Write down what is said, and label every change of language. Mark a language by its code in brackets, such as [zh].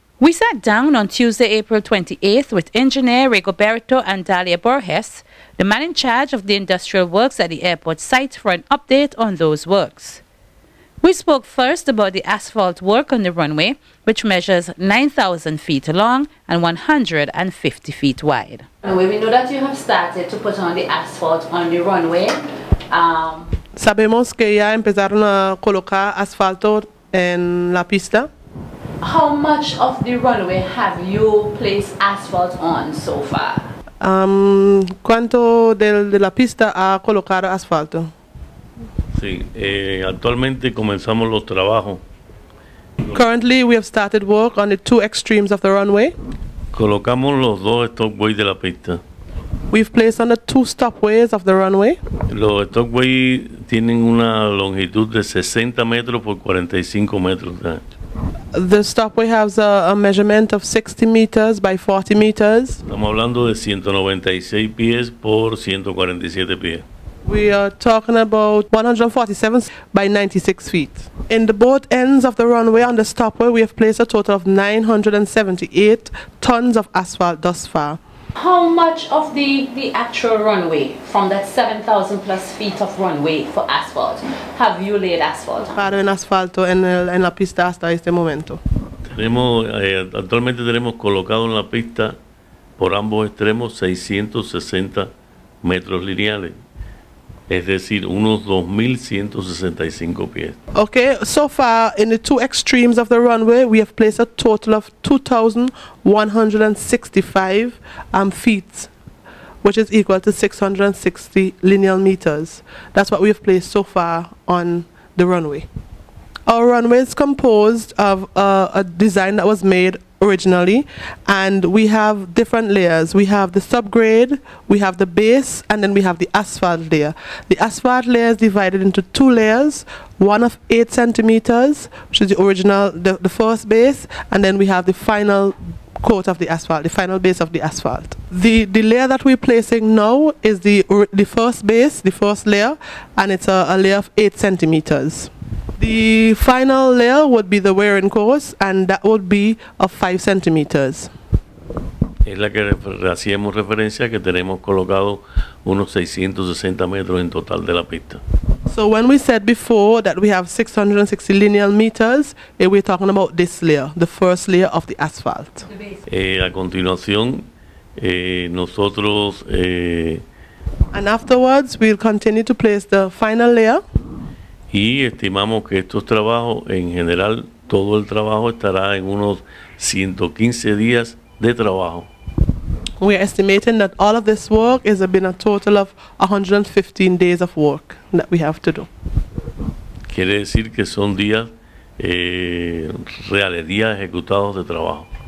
[en] We sat down on Tuesday, April 28th with engineer Rigoberto and Dalia Borges, the man in charge of the industrial works at the airport site, for an update on those works. We spoke first about the asphalt work on the runway, which measures 9,000 feet long and 150 feet wide. Anyway, we know that you have started to put on the asphalt on the runway. [es] Sabemos que ya empezaron a colocar asfalto en la pista. [en] How much of the runway have you placed asphalt on so far? [es] ¿Cuánto de la pista ha colocado asfalto? Sí, actualmente comenzamos los trabajos. [en] Currently we have started work on the two extremes of the runway. [es] Colocamos los dos stopways de la pista. [en] We've placed on the two stopways of the runway. [es] Los stopways tienen una longitud de 60 metros por 45 metros de ancho. [en] The stopway has a measurement of 60 meters by 40 meters. [es] Estamos hablando de 196 pies por 147 pies. [en] We are talking about 147 by 96 feet. In the both ends of the runway on the stopway, we have placed a total of 978 tons of asphalt thus far. How much of the actual runway, from that 7,000 plus feet of runway for asphalt, have you laid asphalt on? [es] Paro en asfalto en la pista hasta este momento. Actualmente tenemos colocado en la pista, por ambos extremos, 660 metros lineales. Es decir, unos 2,165 pies. [en] Okay, so far in the two extremes of the runway, we have placed a total of 2,165 feet, which is equal to 660 lineal meters. That's what we have placed so far on the runway. Our runway is composed of a design that was made originally, and we have different layers. We have the subgrade, we have the base, and then we have the asphalt layer. The asphalt layer is divided into two layers, one of 8 centimeters, which is the original, the first base, and then we have the final coat of the asphalt, the final base of the asphalt. The layer that we're placing now is the first base, the first layer, and it's a layer of 8 centimeters. The final layer would be the wear and course, and that would be of 5 centimeters. [es] Es la que hacíamos referencia que tenemos colocado unos 660 metros en total de la pista. [en] So when we said before that we have 660 lineal meters, we're talking about this layer, the first layer of the asphalt. [es] A continuación, nosotros... [en] And afterwards, we'll continue to place the final layer. [es] Y estimamos que estos trabajos, en general, todo el trabajo estará en unos 115 días de trabajo. [en] We are estimating that all of this work has been a total of 115 days of work that we have to do. [es] Quiere decir que son días reales, días ejecutados de trabajo.